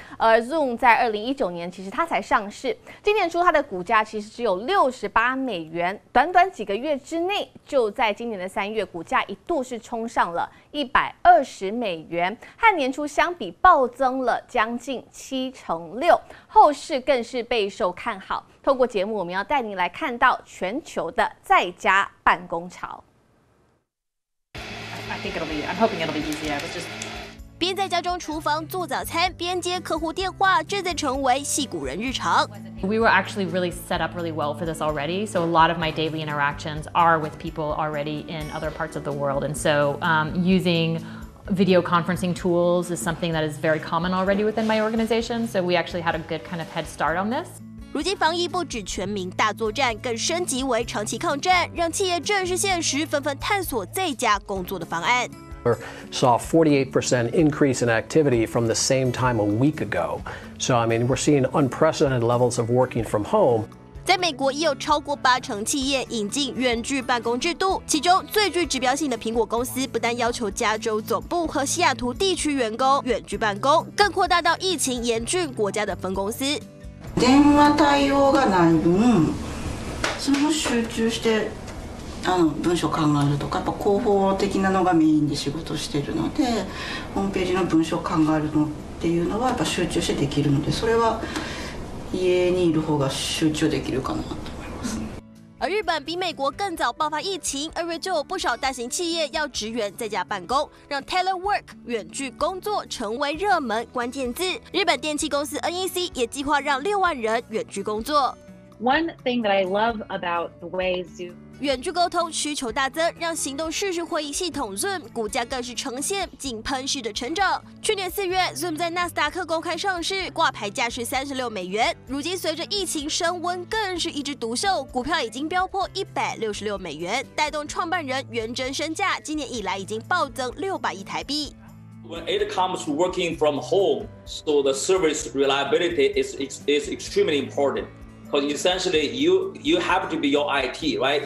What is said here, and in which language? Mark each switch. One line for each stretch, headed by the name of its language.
Chinese: 而 Zoom 在2019年其实它才上市，今年初它的股价其实只有68美元，短短几个月之内，就在今年的3月，股价一度是冲上了120美元，和年初相比暴增了将近76%，后市更是备受看好。透过节目，我们要带您来看到全球的在家办公潮。边在家中厨房做早餐，边接客户电话，这在成为矽谷人日常。
English: We were actually really set up really well for this already, so a lot of my daily interactions are with people already in other parts of the world, and so using video conferencing tools is something that is very common already within my organization, so we actually had a good kind of head start on this.
Chinese: 如今防疫不止全民大作战，更升级为长期抗战，让企业正视现实，纷纷探索在家工作的方案。
English: We saw a 48% increase in activity from the same time a week ago. So, I mean, we're seeing unprecedented levels of working from home.
Chinese: 在美国已有超过80%企业引进远距办公制度，其中最具指标性的苹果公司不但要求加州总部和西雅图地区员工远距办公，更扩大到疫情严峻国家的分公司。
Japanese: 電話対応が難分、その集中して。文章考えるとかやっぱ広報的なのがメインで仕事しているので、ホームページの文章考えるのっていうのはやっぱ集中してできるので、それは家にいる方が集中できるかなと思います。
Chinese: 而日本比美国更早爆发疫情，2月就有不少大型企业要职员在家办公，让 telework 远距工作成为热门关键字。日本电器公司 NEC 也计划让60,000人远距工作。
English: One thing that I love about the way Zoom
Chinese: 远距沟通需求大增，让行动视讯会议系统 Zoom 股价更是呈现井喷式的成长。去年4月 ，Zoom 在纳斯达克公开上市，挂牌价是36美元。如今随着疫情升温，更是一枝独秀，股票已经飙破166美元，带动创办人元真身价今年以来已经暴增600亿台币。
English: When it comes to working from home, so the service reliability is extremely important. Because essentially, you have to be your IT, right?